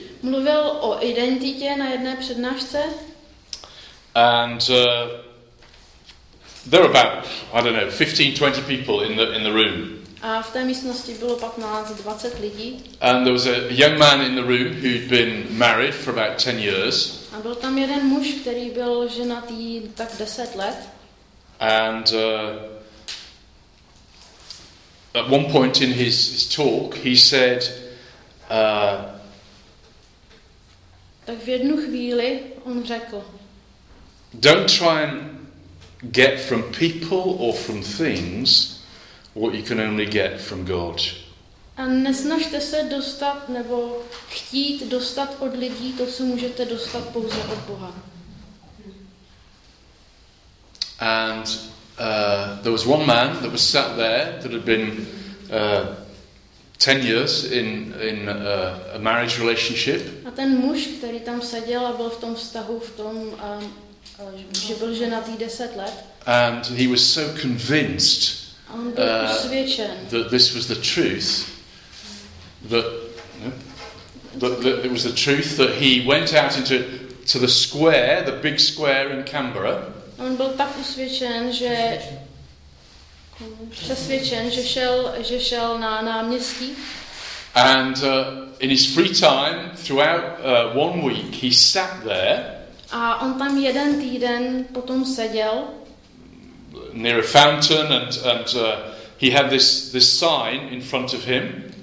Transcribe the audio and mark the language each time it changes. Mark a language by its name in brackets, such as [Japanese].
[Czech] Mluvil o identitě na jedné přednášce. [English] And there were about, I don't know, 15-20 people in the room. [Czech] A v té místnosti bylo 15-20 lidí. [English] And there was a young man in the room who'd been married for about 10 years. [Czech] A byl tam jeden muž, který byl ženatý tak 10 let. [English] And at one point in his talk, he said [Czech] tak v jednu chvíli on řekl: [English] don't try and get from people or from things what you can only get from God. [Czech] A nesnažte se dostat nebo chtít dostat od lidí to, co můžete dostat pouze od Boha. [English] And there was one man that was sat there that had been 10 years in a marriage relationship. [Czech] A ten muž, který tam seděl a byl v tom vztahu v tom že byl ženatý 10 let. [English] And he was so convinced. [Czech] On byl usvědčen. [English] That this was the truth. That it was the truth that he went out into the square, the big square in Canberra. [Czech] On byl tak usvědčen, že přesvědčen, že šel na náměstí. [English] And in his free time, throughout one week, he sat there. [Czech] A on tam jeden týden potom seděl. [English] Near a fountain, and he had this sign in front of him.